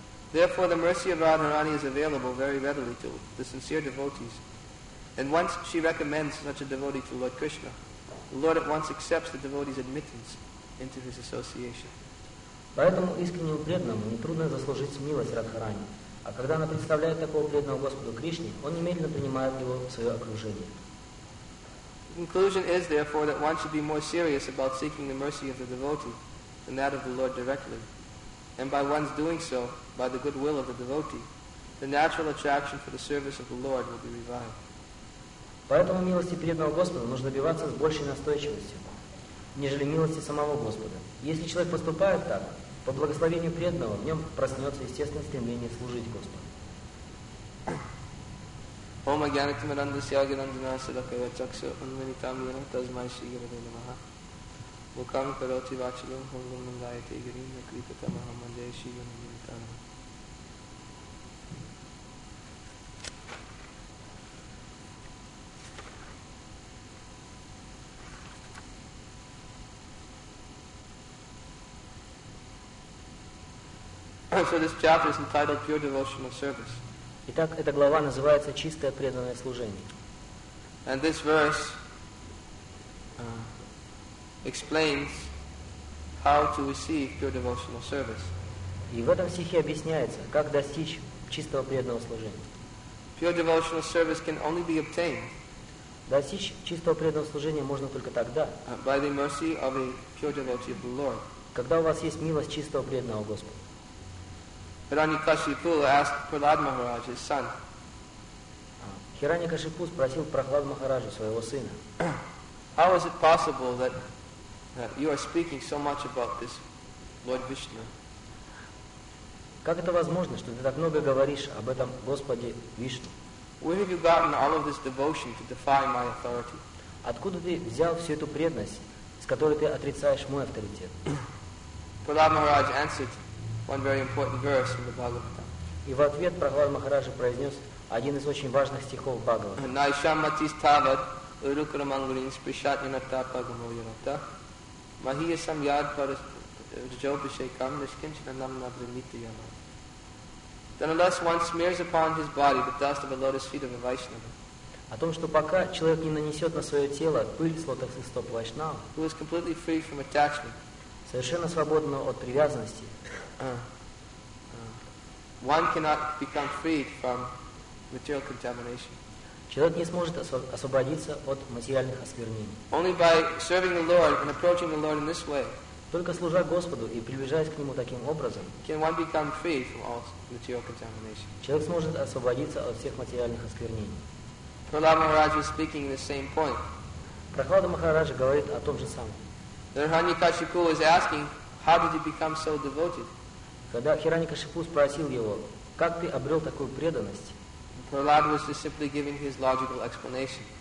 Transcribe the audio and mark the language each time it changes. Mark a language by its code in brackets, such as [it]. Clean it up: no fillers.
[en] Therefore, the mercy of Radharani is available very readily to the sincere devotees. And once she recommends such a devotee to Lord Krishna, the Lord at once accepts the devotee's admittance into his association. [ru] Поэтому искреннему преданному нетрудно заслужить милость Радхарани. А когда она представляет такого преданного Господу Кришне, он немедленно принимает его в свое окружение. [en] The conclusion is, therefore, that one should be more serious about seeking the mercy of the devotee than that of the Lord directly. And by one's doing so, by the goodwill of the devotee, the natural attraction for the service of the Lord will be revived. [ru] Поэтому милости преданного Господа нужно добиваться с большей настойчивостью, нежели милости самого Господа. Если человек поступает так, по благословению преданного, в нем проснется естественное стремление служить Господу. [sa] Мукам кароти вачалам хунгам мангайте гирим на крипата махамандея шивана нимитана. [en] So this chapter is entitled Pure Devotional Service. [ru] Итак, эта глава называется «Чистое преданное служение». [en] And this verse explains how to receive pure devotional service. [ru] И в этом стихе объясняется, как достичь чистого преданного служения. [en] Pure devotional service can only be obtained. [ru] Достичь чистого преданного служения можно только тогда. [en] By the mercy of a pure devotee of the Lord. [ru] Когда у вас есть милость чистого преданного Господа. [en] Hiranyakashipu asked Prahlad Maharaj, his son. [ru] Hiranyakashipu спросил Прохлад Махараджа, своего сына. [en] How is it possible that you are speaking so much about this Lord Vishnu? [ru] Как это возможно, что ты так много говоришь об этом Господе Вишну? [en] Where have you gotten all of this devotion to defy my authority? [ru] Откуда ты взял всю эту преданность, с которой ты отрицаешь мой авторитет? [en] Prahlad Maharaj answered one very important verse in the Bhagavata. [ru] И в ответ Прохлад Махараджа произнес один из очень важных стихов Бхагавата. [sa] Найшамматистават урукрамангурин спришатнината пагамойната. Махия сам яд парас джобишекам нишкинчина нам набримити яма. [en] Then unless one smears upon his body the dust of the lotus feet of a Vaishnava. [ru] О том, что пока человек не нанесет на свое тело пыль с лотосных стоп Вайшнава, [en] who is completely free from attachment, [ru] совершенно свободного от привязанности, [en] one cannot become freed from material contamination. [ru] Человек не сможет освободиться от материальных осквернений. [en] Only by serving the Lord and approaching the Lord in this way, [ru] только служа Господу и приближаясь к Нему таким образом, [en] can one become free from all material contamination. [ru] Человек сможет освободиться от всех материальных осквернений. [en] Prahlad Maharaj was speaking the same point. [ru] Прохлад Махараджа говорит о том же самом. [en] Hiranyakashipu is asking, how did you become so devoted? [ru] Когда Хираньякашипу спросил его, как ты обрел такую преданность? [en] Prahlad was just simply giving his logical explanation.